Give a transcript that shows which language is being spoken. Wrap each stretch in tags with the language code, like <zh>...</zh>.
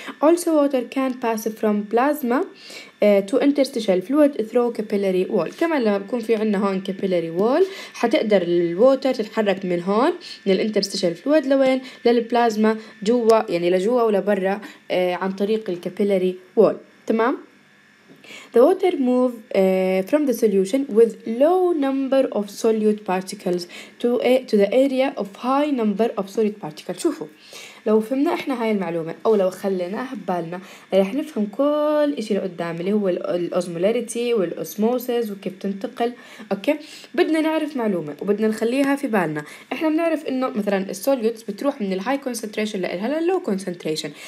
<en>also water can pass from plasma to interstitial fluid through capillary wall،</en> <ar>كمان لما بكون في عندنا هون capillary wall حتقدر الووتر تتحرك من هون من الانترستيشال فلويد لوين، للبلازما جوا، يعني لجوا ولا برا، عن طريق الكابيلاري وول. تمام.</ar> <en>The water move from the solution with low number of solute particles to the area of high number of solute particles.</en> <ar>شوفوا لو فهمنا احنا هاي المعلومة او لو خليناها ببالنا رح نفهم كل اشي لقدام، اللي هو الاوزمولاريتي والاوسموسيس وكيف تنتقل. اوكي بدنا نعرف معلومة وبدنا نخليها في بالنا. احنا بنعرف انه مثلا السوليوتس بتروح من الهاي كونسنتريشن لها لو كونسنتريشن.</ar>